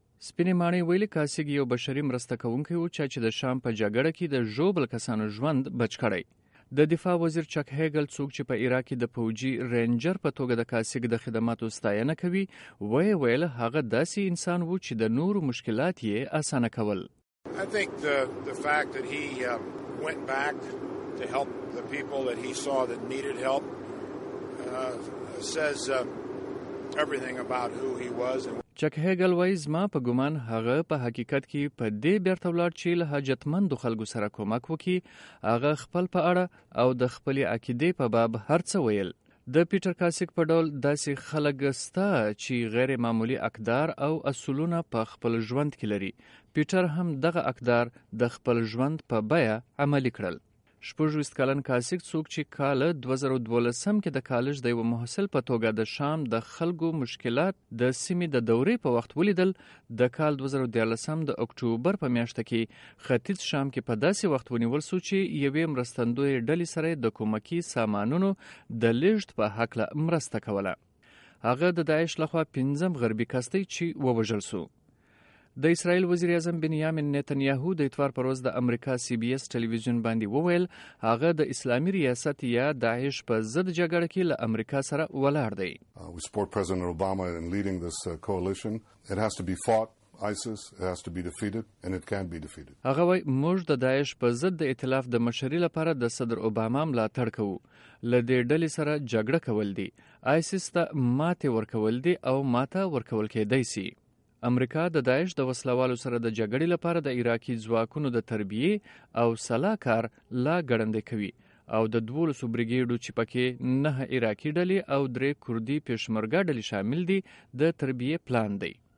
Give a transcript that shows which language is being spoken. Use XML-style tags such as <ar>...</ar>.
<ps>سپینې ماڼۍ ویلي کاسیک یو بشري مرسته کوونکی و چا چې د شام په جګړه کې د ژوبل کسانو ژوند بچ کړی. د دفاع وزیر چک هیګل څوک چې په عراق کې د پوجي رینجر په توګه د کاسیک د خدماتو ستاینه کوي وی ویل هغه داسې انسان وو چې د نورو مشکلات یې اسانه کول.</ps> <en>I think the fact that he went back to help the people that he saw that needed help says everything about who he was.</en> <ps>چک هیګل وایز ما په ګومان هغه په حقیقت کې په دې بیرته ولاړ چې له حاجتمندو خلکو سره کومک وکړي. هغه خپل په اړه او د خپلې عقیدې په باب هر څه ویل. د پیټر کاسیک په ډول داسې خلک سته چې غیر معمولي اقدار او اصولونه په خپل ژوند کې لري. پیټر هم دغه اقدار د خپل ژوند په بیه عملي کړل. شپږویشت کلن کاسیک څوک چې کال 2012 کې د کالج د یو محصل په توګه د شام د خلکو مشکلات د سیمې د دورې په وخت ولیدل. د کال 2013 د اکتوبر په میاشت کې ختیځ شام کې په داسې وخت ونیول سو چې یوې مرستندوی ډلې سره د کومکي سامانونو د لیږد په هکله مرسته کوله. هغه د داعش لخوا پنځم غربي کستی چې ووژل سو. د اسرائیل وزیر اعظم بنیامین نتنیاهو د اتوار پر ورځ د امریکا سی بی ایس ټلویزیون باندې وویل هغه د اسلامي ریاست یا داعش په ضد جګړه کې له امریکا سره ولاړ دی.</ps> <en>We support President Obama in leading this coalition. It has to be fought. ISIS has to be defeated and it can't be defeated.</en> <ps>هغه وای موږ د داعش په ضد د ائتلاف د مشري لپاره د صدر اوباما ملاتړ کوو. له دې ډلې سره جګړه کول دي. ISIS ته ماته ورکول دي او ماته ورکول کېدای شي. امریکا د داعش د وسلوالو سره د جګړې لپاره د عراقي ځواکونو د تربیه او سلاکار لا ګړندې کوي او د دولس بریګیډو چې پکې نه عراقي ډلې او درې کوردی پېشمرګه ډلې شامل دي د تربیه پلان دی.</ps>